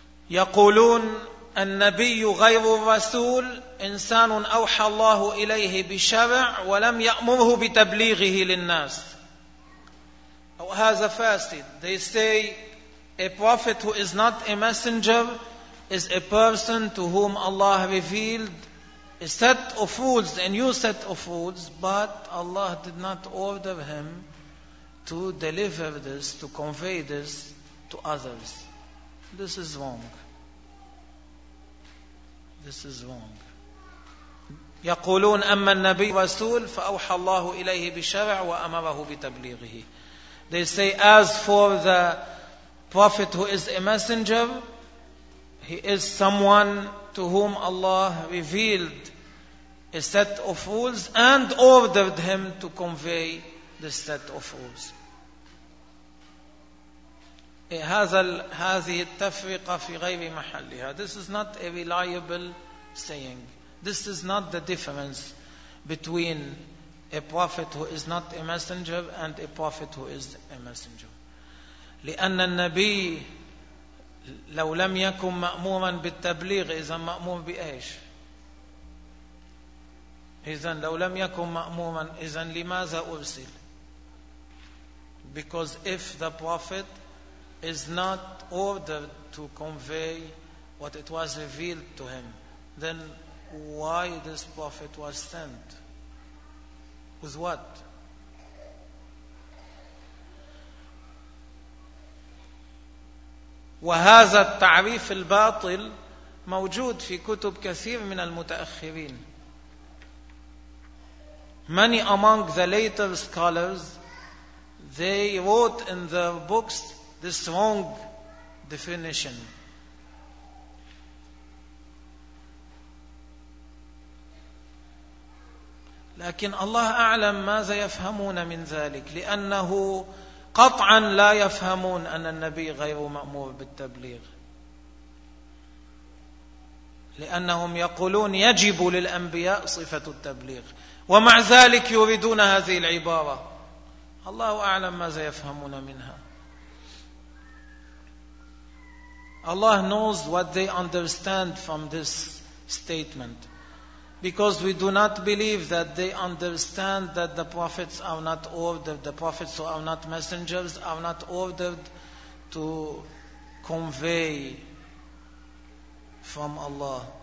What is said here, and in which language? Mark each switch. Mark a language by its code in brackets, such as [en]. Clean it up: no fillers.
[ar] يقولون النبي غير الرسول إنسان أوحى الله إليه بشرع ولم يأمره بتبليغه للناس. أو هذا فاسد. [en] They say a prophet who is not a messenger is a person to whom Allah revealed a set of rules, a new set of rules, but Allah did not order him to deliver this, to convey this to others. This is wrong. This is wrong. [ar] يقولون أما النبي رسول فأوحى الله إليه بشرع وأمره بتبليغه. [en] They say as for the prophet who is a messenger, he is someone to whom Allah revealed a set of rules and ordered him to convey the set of rules. [ar] هذه التفرقة في غير محلها. [en] This is not a reliable saying. This is not the difference between a prophet who is not a messenger and a prophet who is a messenger. [ar] لأن النبي لو لم يكن مأمورا بالتبليغ إذا مأمور بإيش؟ إذن لو لم يكن مأمورا إذن لماذا أرسل؟ [en] Because if the prophet is not ordered to convey what it was revealed to him, then why this prophet was sent? With what? [ar] وهذا التعريف الباطل موجود في كتب كثير من المتأخرين. [en] Many among the later scholars, they wrote in their books this wrong definition. [ar] لكن الله أعلم ماذا يفهمون من ذلك، لأنه قطعا لا يفهمون أن النبي غير مأمور بالتبليغ، لأنهم يقولون يجب للأنبياء صفة التبليغ. ومع ذلك يريدون هذه العبارة. الله أعلم ماذا يفهمون منها. [en] Allah knows what they understand from this statement. Because we do not believe that they understand that the prophets are not ordered, the prophets who are not messengers are not ordered to convey from Allah.